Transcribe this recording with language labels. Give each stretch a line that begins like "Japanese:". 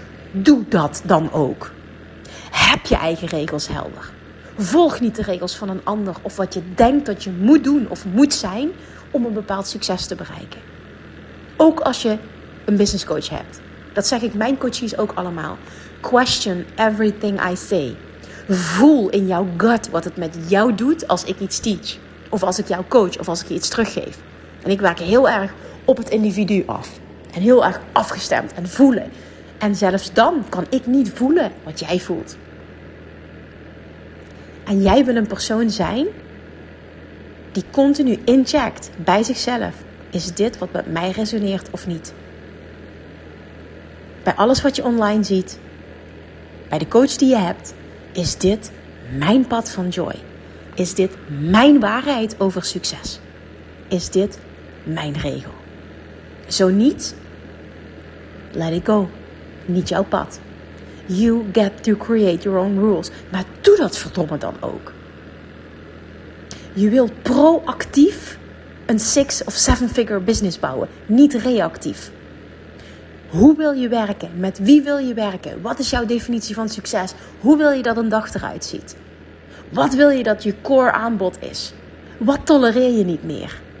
Dutch: Doe dat dan ook. Heb je eigen regels helder. Volg niet de regels van een ander of wat je denkt dat je moet doen of moet zijn om een bepaald succes te bereiken. Ook als je een businesscoach hebt. Dat zeg ik mijn coaches ook allemaal.
English: Question everything I say.
Dutch: Voel in jouw gut wat het met jou doet als ik iets teach. Of als ik jou coach of als ik je iets teruggeef. En ik werk heel erg op het individu af. En heel erg afgestemd en voelen. En zelfs dan kan ik niet voelen wat jij voelt. En jij wil een persoon zijn die continu incheckt bij zichzelf. Is dit wat met mij resoneert of niet? Bij alles wat je online ziet, bij de coach die je hebt, is dit mijn pad van joy? Is dit mijn waarheid over succes? Is dit mijn regel? Zo niet,
English: let it go.
Dutch: Niet jouw pad.
English: You get to create your own rules.
Dutch: Maar doe dat verdomme dan ook. Je wilt proactief een 6- of 7-figure business bouwen. Niet reactief. Hoe wil je werken? Met wie wil je werken? Wat is jouw definitie van succes? Hoe wil je dat een dag eruit ziet? Wat wil je dat je core aanbod is? Wat tolereer je niet meer?